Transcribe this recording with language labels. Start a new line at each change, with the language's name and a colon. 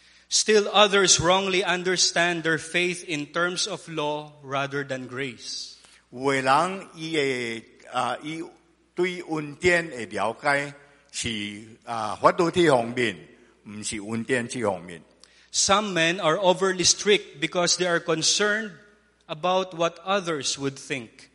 English: Still others wrongly understand their faith in terms of law rather than grace.
Min Nan Chinese: 有的人，伊对恩典的了解是法律这方面，唔是恩典这方面。
English: Some men are overly strict because they are concerned about what others would think.